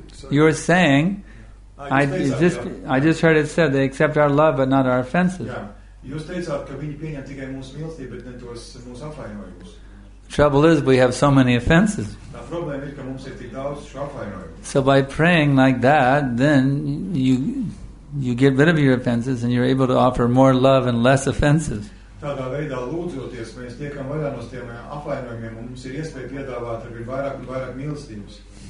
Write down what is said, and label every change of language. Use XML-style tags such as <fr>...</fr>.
<en>You're saying, I just heard it said, they accept our love but not our offenses.</en> <lv>Jūs teicāt, ka viņi pieņem tikai mūsu mīlestību, bet ne tos mūsu apvainojumus.</lv> <en>Trouble is, we have so many offenses.</en> <lv>Tā problēma ir, ka mums ir tik daudz šo apvainojumu.</lv> <en>So by praying like that, then you get rid of your offenses and you're able to offer more love and less offenses.</en> <lv>Tādā veidā lūdzoties, mēs tiekam vaļā no tiem apvainojumiem un mums ir iespēja piedāvāt arī vairāk un vairāk mīlestības.</lv>